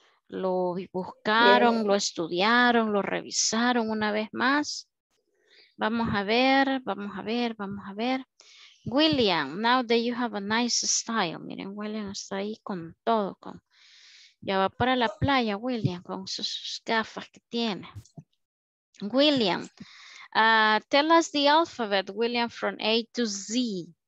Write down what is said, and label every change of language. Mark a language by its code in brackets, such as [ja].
[es] ¿Lo buscaron, [en] yes, [es] lo estudiaron, lo revisaron una vez más? Vamos a ver, vamos a ver, vamos a ver. [en] William, now that you have a nice style. [es] Miren, William está ahí con todo. Ya va para la playa, William, con sus gafas que tiene. [en] William, tell us the alphabet, William, from A to Z.